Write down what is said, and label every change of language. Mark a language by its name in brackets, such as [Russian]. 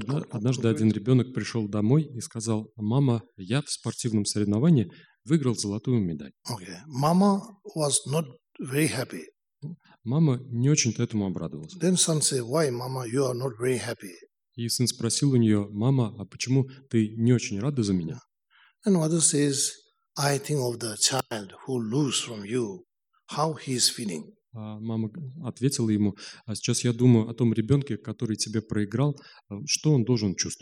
[Russian] Однажды один ребенок пришел домой и сказал: «Мама, я в спортивном соревновании выиграл золотую медаль». [English] Okay. Mama was not very happy. [Russian] Мама не очень-то этому обрадовалась. [English] Then son said, "Why, Mama, you are not very happy?" [Russian] И сын спросил у нее: «Мама, а почему ты не очень рада за меня?» [English] And mother says, "I think of the child who lose from you, how he is feeling." [Russian] Мама ответила ему: «А сейчас я думаю о том ребенке, который тебе проиграл, что он должен